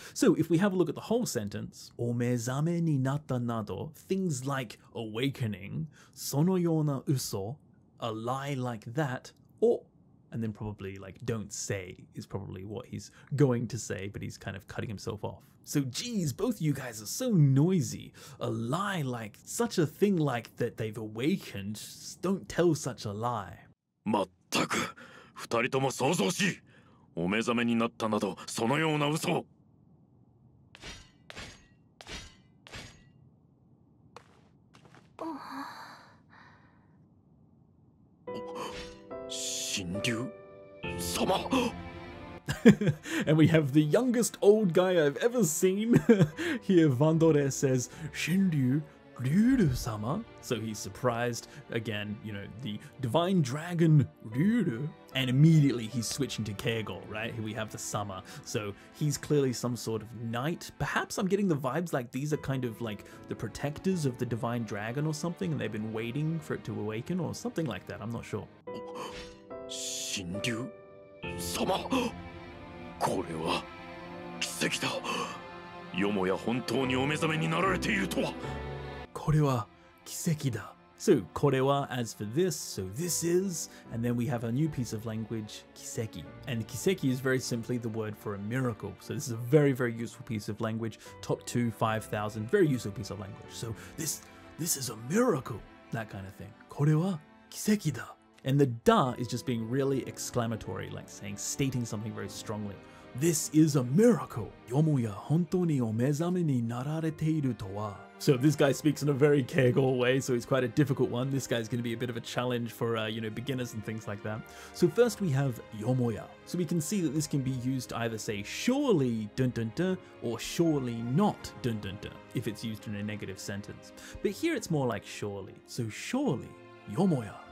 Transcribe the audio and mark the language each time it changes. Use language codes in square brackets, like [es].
[en] So if we have a look at the whole sentence, [ja] o mezame ni natta nado, [en] things like awakening, [ja] sono yōna uso, [en] a lie like that, o, and then probably like don't say is probably what he's going to say, but he's kind of cutting himself off. So geez, both you guys are so noisy. A lie like, such a thing like that they've awakened, don't tell such a lie. [ja] まったく、二人とも想像し、お目覚めになったなど、そのような嘘を。神竜様。 [en] And we have the youngest old guy I've ever seen. Here, Vandore says, Shinryu, Ryuru-sama. So he's surprised. Again, you know, the divine dragon, Ryuru. And immediately he's switching to keigo, right? Here we have the sama. So he's clearly some sort of knight. Perhaps I'm getting the vibes like these are kind of like the protectors of the divine dragon or something. And they've been waiting for it to awaken or something like that. I'm not sure. [ja] Shinryu-sama. これは奇跡だ。よもや本当にお目覚めになられているとは。これは奇跡だ。 [en] So, これは as for this, so this is, and then we have a new piece of language, 奇跡. And 奇跡 is very simply the word for a miracle. So this is a very, very useful piece of language. Top 2, 5,000, very useful piece of language. So this is a miracle, that kind of thing. [ja] これは奇跡だ. [en] And the da is just being really exclamatory, like saying, stating something very strongly. This is a miracle. [ja] よもや本当にお目覚めになられているとは。 [en] So this guy speaks in a very keigo way, so he's quite a difficult one. This guy's going to be a bit of a challenge for, you know, beginners and things like that. So first we have よもや.So we can see that this can be used to either say surely, dun dun dun, or surely not, dun dun dun, if it's used in a negative sentence. But here it's more like surely. So surely, よもや